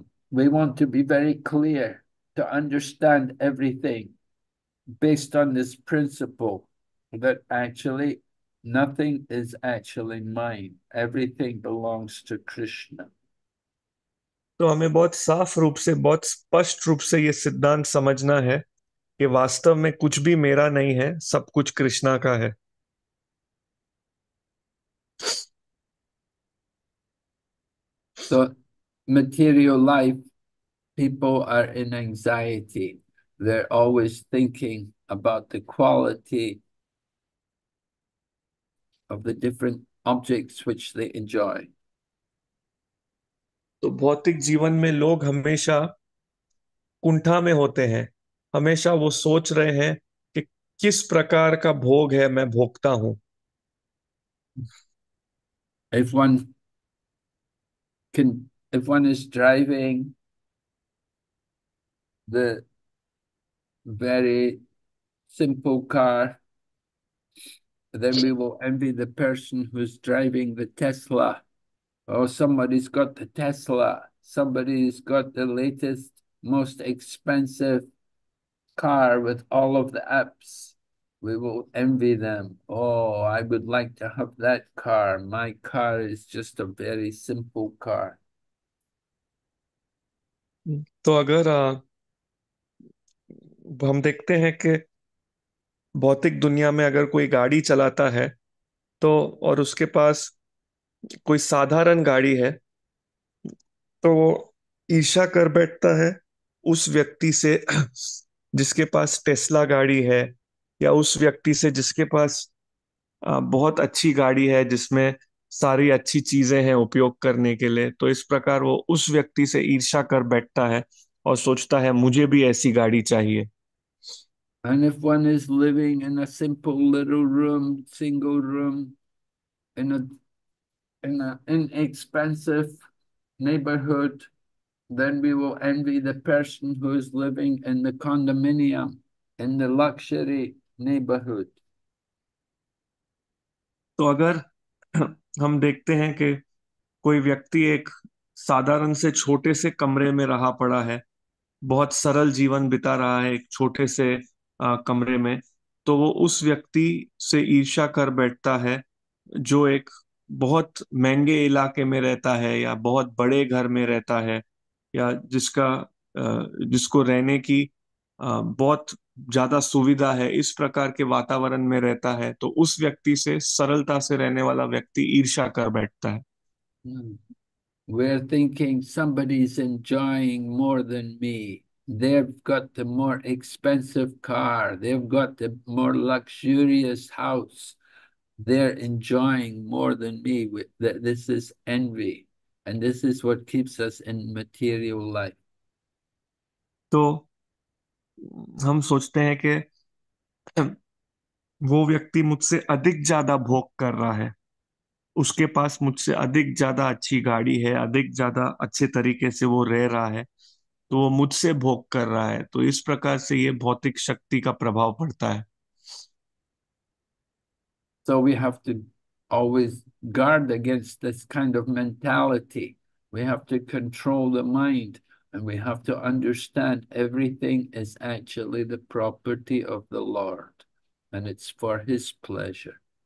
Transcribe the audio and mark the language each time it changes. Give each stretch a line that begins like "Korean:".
English: We want to be very clear to understand everything based on this principle that actually nothing is actually mine. Everything belongs to Krishna.
Hindi: तो हमें बहुत साफ रूप से, बहुत स्पष्ट रूप से ये सिद्धांत समझना है कि वास्तव में कुछ भी मेरा नहीं है, सब कुछ कृष्णा का है।
English: So, material life, people are in anxiety. They're always thinking about the quality of the different objects which they enjoy.
Hindi: तो भौतिक जीवन में लोग हमेशा कुंठा में होते हैं, हमेशा वो सोच रहे हैं कि किस प्रकार का भोग है मैं भोगता हूं।
English: If one is driving the very simple car, then we will envy the person who's driving the Tesla. Oh, somebody's got the Tesla. Somebody's got the latest, most expensive car with all of the apps. We will envy them. Oh, I would like to have that car. My car is just a very simple car.
Hindi: तो अगर हम देखते हैं कि भौतिक दुनिया में अगर कोई गाड़ी चलाता है तो और उसके पास कोई साधारण गाड़ी है तो वो ईर्ष्या कर बैठता है उस व्यक्ति से जिसके पास टेस्ला गाड़ी है, या उस व्यक्ति से जिसके पास बहुत अच्छी गाड़ी है जिसमें सारी अच्छी चीजें हैं उपयोग करने के लिए, तो इस प्रकार वो उस व्यक्ति से ईर्ष्या कर बैठता है और सोचता है मुझे भी ऐसी गाड़ी चाहिए।
English: And if one is living in a simple little room, single room, in a inexpensive neighborhood, then we will envy the person who is living in the condominium in the luxury neighborhood.
Hindi: तो अगर हम देखते हैं कि कोई व्यक्ति एक साधारण से छोटे से कमरे में रहा पड़ा है, बहुत सरल जीवन बिता रहा है एक छोटे से कमरे में, तो वो उस व्यक्ति से ईर्ष्या कर बैठता है जो एक बहुत महंगे इलाके में रहता है, या बहुत बड़े घर में रहता है, या जिसको रहने की बहुत ज्यादा सुविधा है, इस प्रकार के वातावरण में रहता है, तो उस व्यक्ति से सरलता से रहने वाला व्यक्ति ईर्ष्या कर बैठता है।
English: We're thinking somebody's enjoying more than me. They've got the more expensive car. They've got the more luxurious house. They're enjoying more than me. This is envy, and this is what keeps us in material life.
Hindi: तो हम सोचते हैं कि वो व्यक्ति मुझसे अधिक ज्यादा भोग कर रहा है, उसके पास मुझसे अधिक ज्यादा अच्छी गाड़ी है, अधिक ज्यादा अच्छे तरीके से वो रह रहा है, तो वो मुझसे भोग कर रहा है, तो इस प्रकार से ये भौतिक शक्ति का प्रभाव पड़ता है।
English: So we have to always guard against this kind of mentality. We have to control the mind, and we have to understand everything is actually the property of the Lord, and it's for His pleasure.